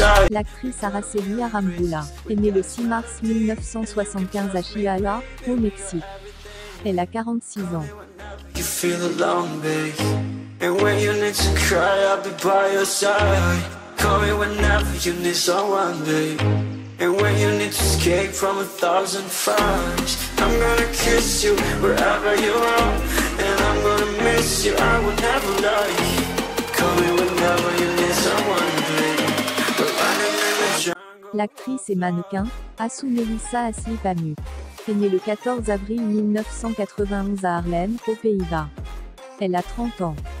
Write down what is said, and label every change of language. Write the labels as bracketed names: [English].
[French] L'actrice Araceli Arámbula est née le 6 mars 1975 à Chihuahua, au Mexique. Elle a 46 ans. [English] You feel alone, babe. And when you need to cry, I'll be by your side. Call me whenever you need someone, babe. And when you need to escape from a thousand fires, I'm gonna kiss you wherever you are. And I'm gonna miss you, I will never lie. Call me whenever you need someone. [French] L'actrice et mannequin, Assou Melissa Asli Pamu, est née le 14 avril 1991 à Haarlem, aux Pays-Bas. Elle a 30 ans.